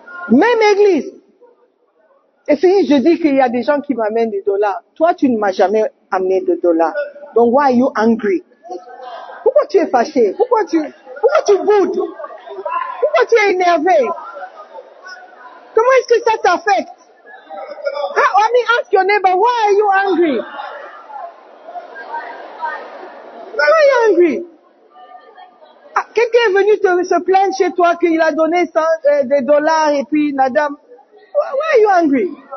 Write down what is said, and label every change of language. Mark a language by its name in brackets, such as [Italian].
[French] Même église. Et si je dis qu'il y a des gens qui m'amènent des dollars, toi tu ne m'as jamais amené de dollars. Donc [English] why are you angry? [French] Pourquoi tu es fâché? Pourquoi tu boudes? Pourquoi tu es énervé? Comment est-ce que ça t'affecte? [English] How, let me ask your neighbor, why are you angry? Why are you angry? [French] Ah, quelqu'un est venu se plaindre chez toi qu'il a donné des dollars et puis la dame. [English] Why are you angry?